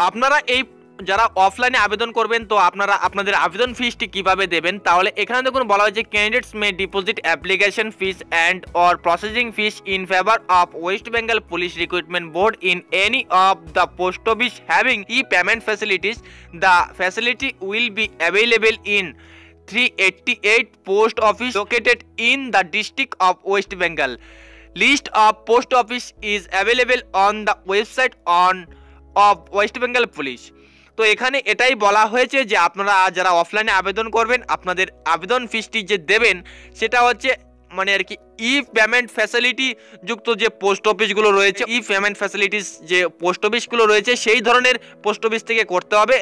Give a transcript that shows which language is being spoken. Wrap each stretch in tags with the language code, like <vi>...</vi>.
<bn>আপনারা এই যারা অফলাইনে আবেদন করবেন তো আপনারা আপনাদের আবেদন ফিসটি কিভাবে দেবেন, তাহলে এখানে দেখুন বলা হয়েছে</bn> <en>Candidates may deposit application fees and or processing fees in favour of West Bengal police recruitment board in any of the post office having e payment facilities, the facility will be available in 388 post office located in the district of West Bengal. List of post office is available on the website of West Bengal Police.</en> <bn>তো এখানে এটাই বলা হয়েছে যে আপনারা যারা অফলাইনে আবেদন করবেন আপনাদের আবেদন ফিসটি যে দেবেন সেটা হচ্ছে মানে আর কি ই পেমেন্ট ফ্যাসিলিটি যুক্ত যে পোস্ট অফিসগুলো রয়েছে, ই পেমেন্ট ফ্যাসিলিটিস যে পোস্ট অফিসগুলো রয়েছে সেই ধরনের পোস্ট অফিস থেকে করতে হবে।</bn>